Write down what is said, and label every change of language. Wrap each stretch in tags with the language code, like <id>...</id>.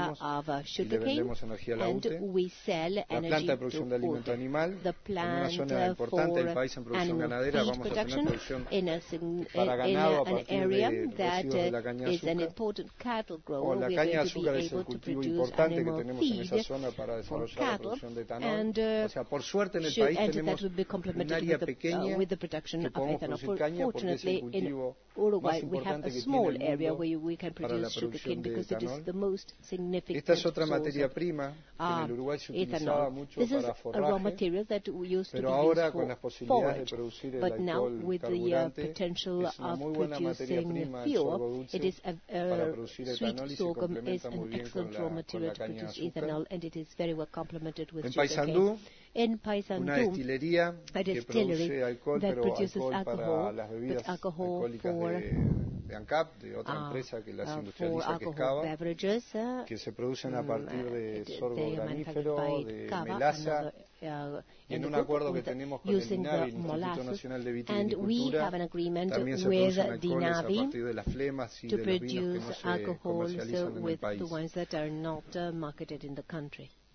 <en>of sugarcane, and we sell energy to UTE. The plant for animal feed production in an area that is an important cattle grower.</en> <es>La caña de azúcar es el cultivo importante que tenemos en esa zona para desarrollar la producción de etanol. O sea, por suerte en el país tenemos un área pequeña que podemos</es> <en>Fortunately, in Uruguay, we have a small area where we can produce sugarcane because it is the most significant source of ethanol. This is a raw material that we used to use for forage, but now with the potential of producing fuel, it is a sweet sorghum is an excellent raw material to produce ethanol, and it is very well complemented with sugarcane.</en> <es>En Paysandú, una destilería que produce alcohol, pero alcohol, alcohol para las bebidas alcohólicas de ANCAP, de otra empresa que las industrializa, que es Cava, que se producen a partir de sorgo granífero, de melaza, en un acuerdo que tenemos con el DINAVI, el Instituto Nacional de Viticultura, también se producen alcoholes a partir de las flemas y de los vinos que no se comercializan en el país.</es>